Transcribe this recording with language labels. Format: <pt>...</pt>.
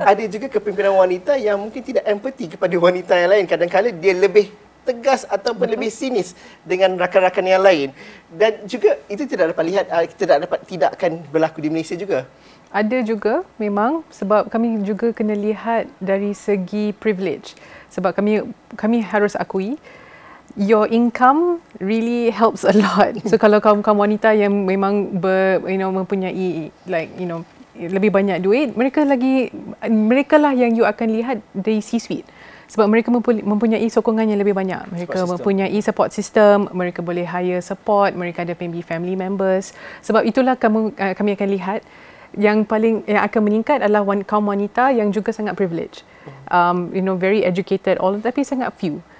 <ms>Ada juga kepimpinan wanita yang mungkin tidak empathy kepada wanita yang lain. Kadang-kadang dia lebih tegas ataupun lebih sinis dengan rakan-rakan yang lain. Dan juga itu tidak dapat lihat, tidak dapat tidakkan berlaku di Malaysia juga. Ada juga memang, sebab kami juga kena lihat dari segi privilege. Sebab kami harus akui,</ms> <en>your income really helps a lot.</en> <ms>So kalau kaum-kaum wanita yang memang mempunyai lebih banyak duit, mereka lah yang you akan lihat dari C-suite. Sebab mereka mempunyai sokongan yang lebih banyak. Mereka mempunyai support system, mereka boleh hire support, mereka ada maybe family members. Sebab itulah kami akan lihat yang akan meningkat adalah kaum wanita yang juga sangat privileged.</ms> <en>Very educated all,</en> <ms>tapi sangat</ms> <en>few.</en>